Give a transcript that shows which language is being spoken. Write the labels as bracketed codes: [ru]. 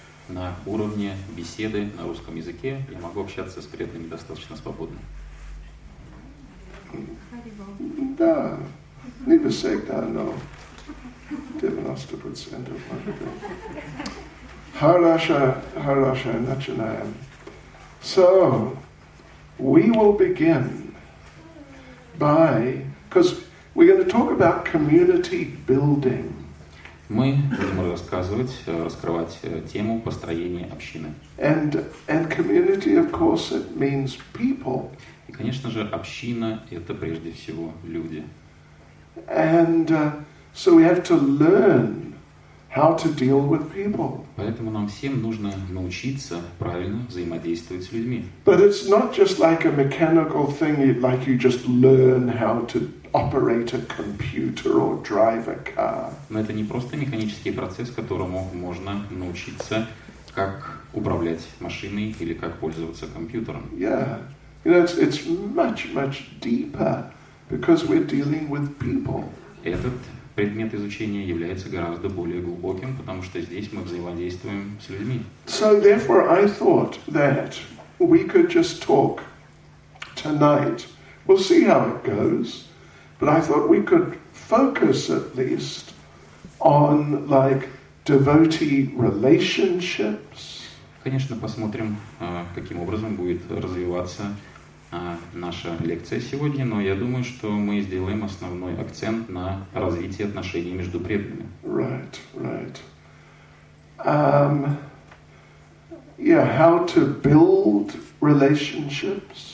[ru] На уровне беседы на русском языке я могу общаться с преданными достаточно свободно. Да, не всегда, но 90% может быть. Хорошо, начинаем. [en] So, we will begin by, because we're going to talk about community building. [ru] Мы будем раскрывать тему построения общины. [en] And community, of course, it means people. [ru] И, конечно же, община – это прежде всего люди. [en] And so we have to learn how to deal with people. [ru] Поэтому нам всем нужно научиться правильно взаимодействовать с людьми. [en] But it's not just like a mechanical thing, like you just learn how to operate a computer or drive a car. [ru] Но это не просто механический процесс, которому можно научиться, как управлять машиной или как пользоваться компьютером. [en] Yeah. You know, it's much, much deeper, because we're dealing with people. [ru] Предмет изучения является гораздо более глубоким, потому что здесь мы взаимодействуем с людьми. [en] So therefore I thought that we could just talk tonight. We'll see how it goes. But I thought we could focus at least on like devotee relationships. [ru] Конечно, посмотрим, каким образом будет развиваться наша лекция сегодня, но я думаю, что мы сделаем основной акцент на развитии отношений между преданными. [en] Right. Yeah, how to build relationships?